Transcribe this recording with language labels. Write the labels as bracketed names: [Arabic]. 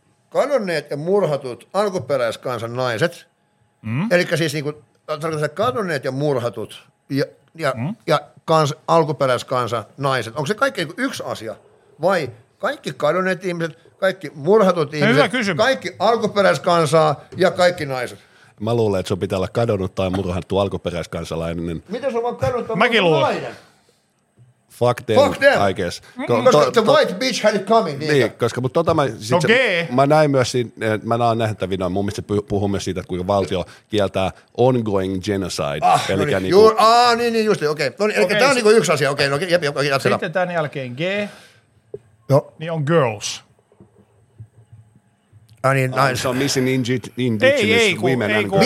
[Finnish] Kadonneet ja murhatut alkuperäiskansan naiset, eli siis niinku, tarkoittaa kadonneet ja murhatut ja kans, alkuperäiskansan naiset. Onko se kaikki niinku yksi asia vai kaikki kadonneet ihmiset, kaikki murhatut ihmiset, kaikki alkuperäiskansaa ja kaikki naiset? Mä luulen, että se pitää olla kadonnut tai murhattu alkuperäiskansalainen. Miten se on vaan kadonnut? Mäkin luulen. [English] Fuck them, fuck them, I guess. The white bitch had it coming. [Finnish] Niin, koska, mutta tota mä näin myös siinä, mä näen nähtävinä, mun mielestä se puhuu myös siitä, että kuinka valtio kieltää [English] ongoing genocide. [Finnish] Ah, eli no niin, niin, ah, niin, niin just, okei. Okay. No niin, okay, tämä on niin kuin yksi asia, okei, okay, no, okay, jatketaan. Sitten tämän jälkeen G, no, niin on girls. Ah, niin, [English] nice. I'm so missing indigenous ei, women ei, and girls.